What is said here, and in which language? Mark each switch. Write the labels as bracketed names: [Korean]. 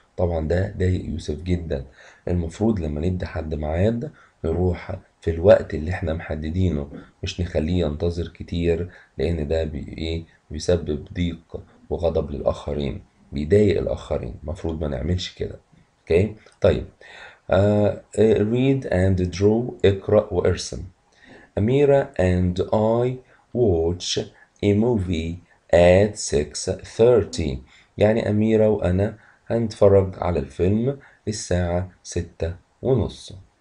[Arabic] طبعا ده ضايق يوسف جدا، المفروض لما ندي حد ميعاد نروح في الوقت اللي احنا محددينه، مش نخليه ينتظر كتير، لأن ده بيسبب ضيق وغضب للآخرين، بيضايق الآخرين، المفروض ما نعملش كده. اوكي طيب، [English] read and draw، [Arabic] اقرأ وارسم. [English] أميرة and I watch a movie at 6:30. [Arabic] يعني أميرة وأنا هنتفرج على الفيلم الساعة 6:30.